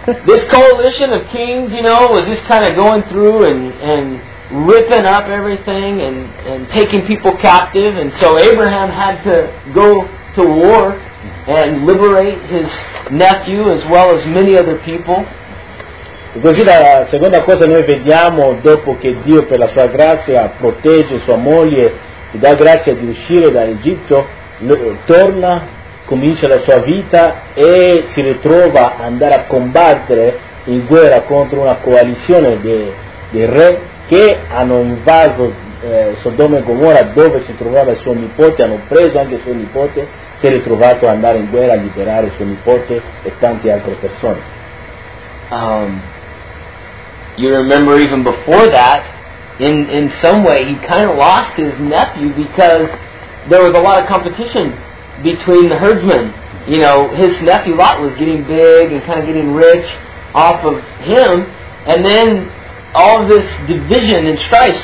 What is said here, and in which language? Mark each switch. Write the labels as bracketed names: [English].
[English] This coalition of kings, you know, was just kind of going through and ripping up everything and taking people captive, and so Abraham had to go to war and liberate his nephew as well as many other people. [Italian] E così la seconda cosa noi vediamo dopo che Dio per la sua grazia protegge sua moglie e dà grazia di uscire dall'Egitto, torna comincia la sua vita e si ritrova ad andare a combattere in guerra contro una coalizione dei re che hanno invaso Sodoma e Gomorra, dove si trovava suo nipote, hanno preso anche suo nipote, si è ritrovato ad andare in guerra a liberare suo nipote e tante altre persone. [English] You remember even before that, in some way he kind of lost his nephew because there was a lot of competition between the herdsmen. You know, his nephew Lot was getting big and kind of getting rich off of him, and then all of this division and strife.